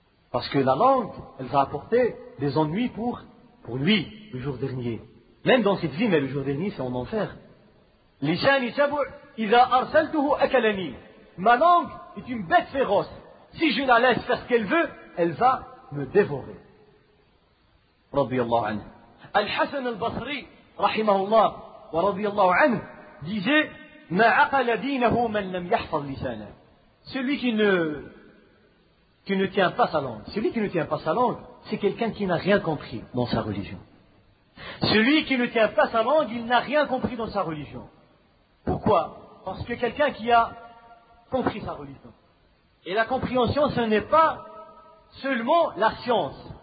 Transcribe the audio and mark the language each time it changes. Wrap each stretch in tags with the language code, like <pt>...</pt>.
<fr>Parce que la langue, elle va apporter des ennuis pour lui, le jour dernier. Même dans cette vie, mais le jour dernier, c'est en enfer.</fr> <ar>Lisani sabu, idha arsaltuhu akalani.</ar> <fr>Ma langue est une bête féroce. Si je la laisse faire ce qu'elle veut, elle va me dévorer.</fr> <ar>Radiyallahu anhu. الحسن البصري رحمه الله ورضي الله عنه</ar> <fr>disait</fr> <ar>ما عقل دينه من لم يحفظ لسانه.</ar> <fr>Celui qui ne tient pas sa langue, celui qui ne tient pas sa langue, c'est quelqu'un qui n'a rien compris dans sa religion. Celui qui ne tient pas sa langue, il n'a rien compris dans sa religion. Pourquoi? Parce que quelqu'un qui a compris sa religion. Et la compréhension, ce n'est pas seulement la science.</fr>